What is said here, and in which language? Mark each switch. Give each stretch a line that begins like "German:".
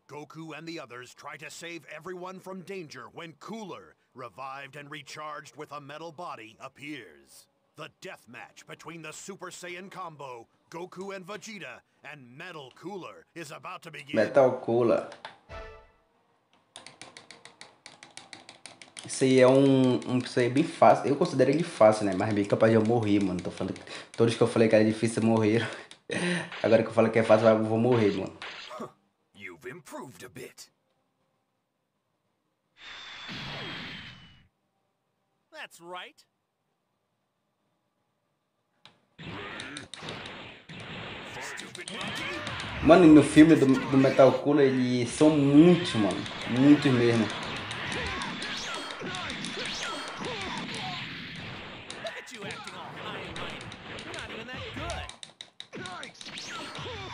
English: Goku and the others try to save everyone from danger when Cooler, revived and recharged with a metal body, appears. The death match between the Super Saiyan combo, Goku and Vegeta, and Metal Cooler is about to begin. Metal Cooler.
Portuguese: Isso aí é isso aí é bem fácil. Eu considero ele fácil, né? Mas bem capaz de eu morrer, mano. Tô falando, todos que eu falei que era difícil morrer. Agora que eu falo que é fácil, eu vou morrer, mano.
English: You've improved a bit. That's right.
Portuguese: Mano, no filme do Metal Cooler, eles são muitos, mano. Muitos mesmo.
English: Look at you acting all high and mighty. You're not even that good.